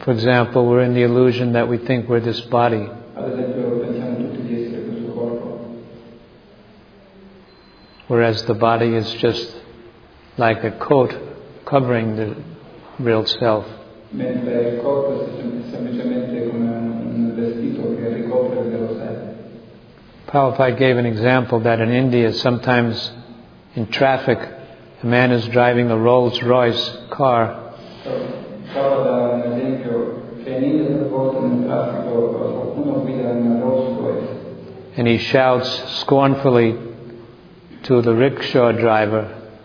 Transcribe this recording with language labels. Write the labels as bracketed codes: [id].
[en] For example, we're in the illusion that we think we're this body. [it] Ad esempio, pensiamo tutti di essere questo corpo. [en] Whereas the body is just like a coat covering the real self. [it] Mentre il corpo è semplicemente come un vestito che ricopre il vero sé. [en] Prabhupada gave an example that in India sometimes in traffic a man is driving a Rolls Royce car. [it] Prabhupada ad esempio che in India a volte nel traffico qualcuno guida una Rolls Royce. [en] And he shouts scornfully to the rickshaw driver.